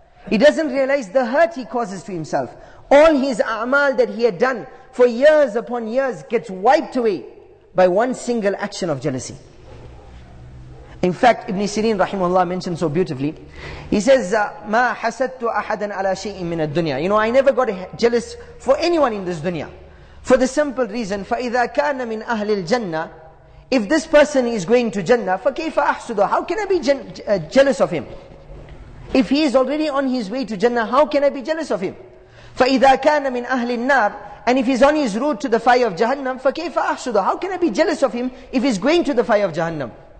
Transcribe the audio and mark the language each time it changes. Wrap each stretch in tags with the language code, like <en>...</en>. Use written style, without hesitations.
<en>He doesn't realize the hurt he causes to himself. All his a'mal that he had done for years upon years gets wiped away by one single action of jealousy. In fact, Ibn Sirin rahimahullah mentioned so beautifully. He says,</en> <ar>"Ma hasadtu ahadan ala shay'in min ad-dunya."</ar> <en>You know, I never got jealous for anyone in this dunya. For the simple reason,</en> <ar>فَإِذَا كَانَ مِنْ أَهْلِ الْجَنَّةِ.</ar> <en>If this person is going to Jannah,</en> <ar>فَكَيْفَ أَحْسُدُهُ.</ar> <en>How can I be jealous of him? If he is already on his way to Jannah, how can I be jealous of him?</en> <ar>فَإِذَا كَانَ مِنْ أَهْلِ النَّارِ.</ar> <en>And if he's on his route to the fire of Jahannam,</en> <ar>فَكَيْفَ أَحْسُدُهُ.</ar> <en>How can I be jealous of him if he's going to the fire of Jahannam?</en>